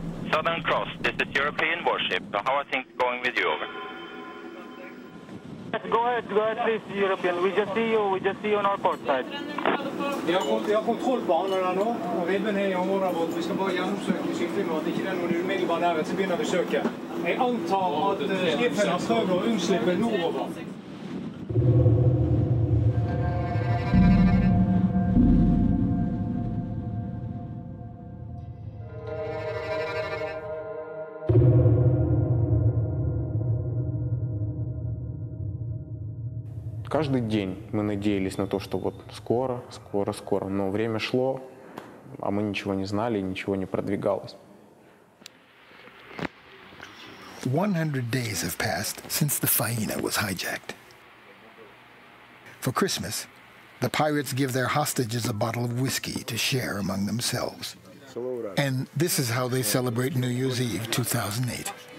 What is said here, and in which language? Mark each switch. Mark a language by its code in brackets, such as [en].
[en] Southern Cross, this is European warship. How are things going with you? Over. Go ahead, please, European. We just see you on our port side. [no] Vi har kontrollbaner her nå, og ribben her i området vårt. Vi skal bare gjennomsøke skiftet, ikke det noen umiddelbar nærhet, så begynner vi å søke. Jeg antar at skiftet har prøvd å unnslippe nordover. [ru] Каждый день мы надеялись на то, что вот скоро. Но время шло, а мы ничего не знали и ничего не продвигалось. [en] 100 days have passed since the Faina was hijacked. For Christmas, the pirates give their hostages a bottle of whiskey to share among themselves. And this is how they celebrate New Year's Eve 2008.